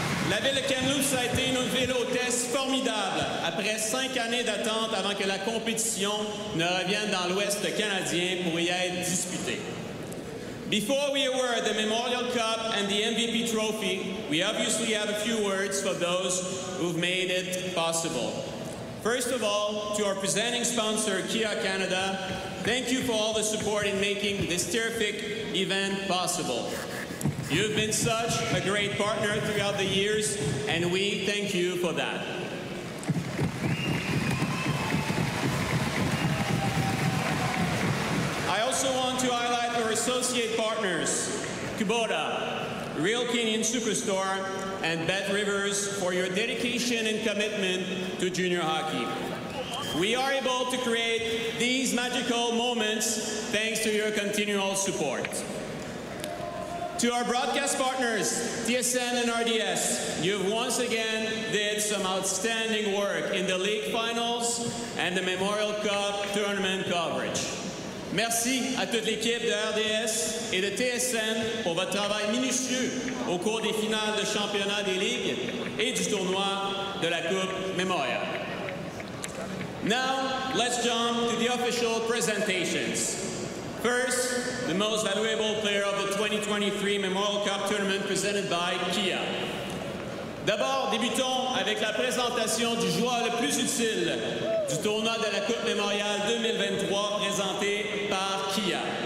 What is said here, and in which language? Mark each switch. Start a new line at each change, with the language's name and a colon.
French: La ville de Kamloops a été une ville hôtesse formidable après 5 années d'attente avant que la compétition ne revienne dans l'Ouest canadien pour y être disputée.
English: Before we award the Memorial Cup and the MVP trophy, we obviously have a few words for those who've made it possible. First of all, to our presenting sponsor, Kia Canada, thank you for all the support in making this terrific event possible. You've been such a great partner throughout the years, and we thank you for that. I also want to highlight our associate partners, Kubota, Real Canadian Superstore, and Bet Rivers, for your dedication and commitment to junior hockey. We are able to create these magical moments thanks to your continual support. To our broadcast partners, TSN and RDS, you've once again did some outstanding work in the league finals and the Memorial Cup tournament coverage.
French: Merci à toute l'équipe de RDS et de TSN pour votre travail minutieux au cours des finales de championnat des ligues et du tournoi de la Coupe Memorial.
English: Now, let's jump to the official presentations. First, the most valuable player of the 2023 Memorial Cup Tournament presented by Kia.
French: D'abord, débutons avec la présentation du joueur le plus utile du tournoi de la Coupe Memorial 2023 présenté par Kia.